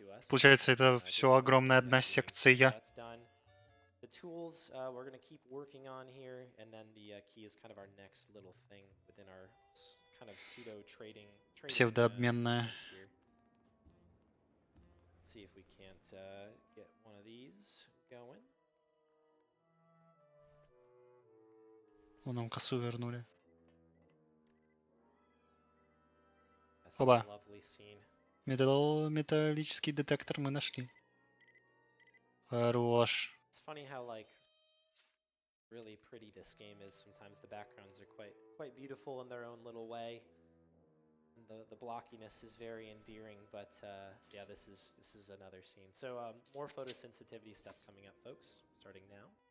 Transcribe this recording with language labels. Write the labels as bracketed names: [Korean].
[Russian] Получается, это всё огромная одна секция. [English] The tools we're going to keep working on here and then the key is kind of our next little thing within our kind of pseudo trading [Russian] псевдообменная. [English] See if we can't get one of these going. [Russian] Вон нам косу вернули. Опа. Металлический детектор мы нашли. Хорош. [English] It's funny how like really pretty this game is. Sometimes the backgrounds are quite beautiful in their own little way. The blockiness is very endearing, but yeah, this is another scene. So more photosensitivity stuff coming up, folks, starting now.